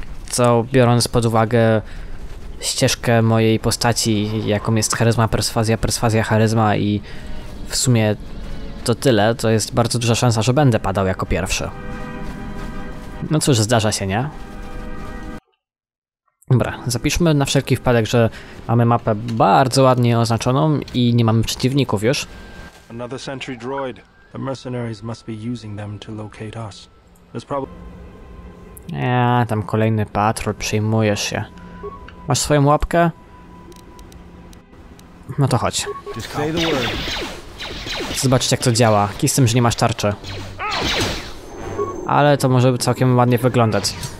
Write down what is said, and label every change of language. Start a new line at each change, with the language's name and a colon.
Polish: Co, biorąc pod uwagę ścieżkę mojej postaci, jaką jest charyzma, perswazja, perswazja, charyzma i w sumie to tyle, to jest bardzo duża szansa, że będę padał jako pierwszy. No cóż, zdarza się, nie? Dobra, zapiszmy na wszelki wypadek, że mamy mapę bardzo ładnie oznaczoną i nie mamy przeciwników już.
English: Another sentry droid. The mercenaries must be using them to locate us.
Polish: Tam kolejny patrol, przyjmujesz się. Masz swoją łapkę? No to chodź. Zobaczcie, jak to działa. Kij z tym, że nie masz tarczy. Ale to może całkiem ładnie wyglądać.